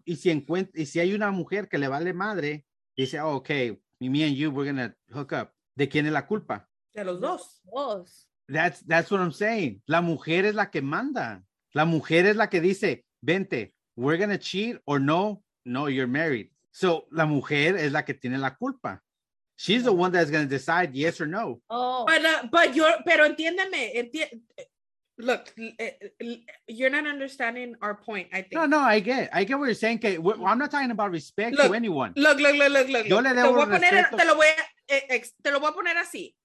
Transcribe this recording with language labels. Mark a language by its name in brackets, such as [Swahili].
[Spanish] y si hay una mujer que le vale madre, dice, oh, okay, [English] me and you, we're going to hook up. [Spanish] ¿De quién es la culpa? De los dos. [English] That's what I'm saying. [Spanish] La mujer es la que manda. La mujer es la que dice, vente. [English] We're going to cheat or no, you're married. [Spanish] So la mujer es la que tiene la culpa. [English] She's the one that's going to decide yes or no. Oh, [Spanish] pero entiéndeme. [English] Look, you're not understanding our point, I think. No, I get what you're saying. I'm not talking about respect to anyone. Look. [Spanish] Yo le debo respeto. Te lo voy a poner así.